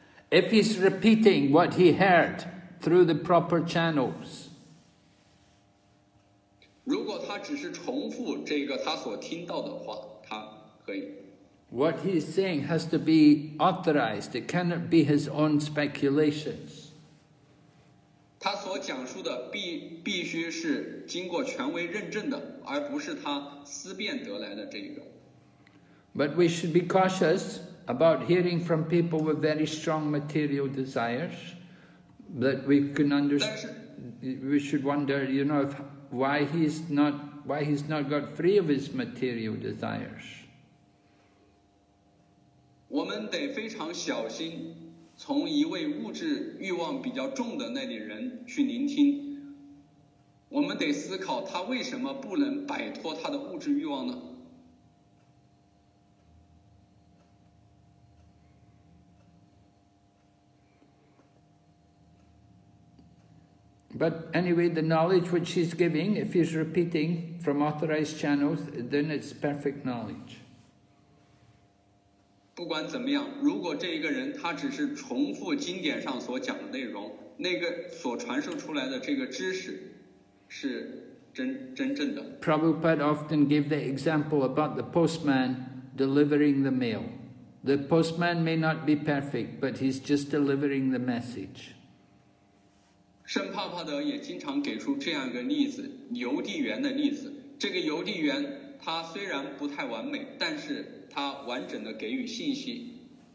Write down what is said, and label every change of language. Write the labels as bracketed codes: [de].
[en] if he's repeating what he heard through the proper channels, [zh] 如果他只是重复这个他所听到的话，他可以。 [en] What he is saying has to be authorized. It cannot be his own speculations. [zh] 他所讲述的必须是经过权威认证的，而不是他思辨得来的这一个。 [en] But we should be cautious about hearing from people with very strong material desires that we can understand. We should wonder, you know, why he's not got free of his material desires. [zh] 我们得非常小心，从一位物质欲望比较重的那类人去聆听。我们得思考他为什么不能摆脱他的物质欲望呢？ [en] But anyway, the knowledge which he's giving, if he's repeating from authorized channels, then it's perfect knowledge. [zh] 不管怎么样，如果这一个人他只是重复经典上所讲的内容，那个所传授出来的这个知识是真正的。 [en] Prabhupada often gave the example about the postman delivering the mail. The postman may not be perfect, but he's just delivering the message. [zh] 圣帕帕德也经常给出这样一个例子，邮递员的例子。这个邮递员他虽然不太完美，但是他完整的给予信息。